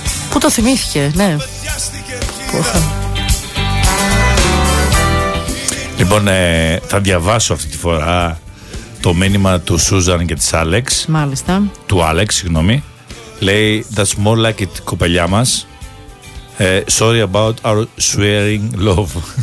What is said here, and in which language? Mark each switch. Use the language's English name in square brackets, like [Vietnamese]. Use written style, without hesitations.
[Greek] Πού το θυμήθηκε, ναι. Λοιπόν, θα διαβάσω αυτή τη φορά το μήνυμα του Σούζαν και της Άλεξ. Μάλιστα. Του Άλεξ, συγγνώμη. Λέει, [English] that's more like it, [Greek] κοπελιά μας. [English] Sorry about our swearing love.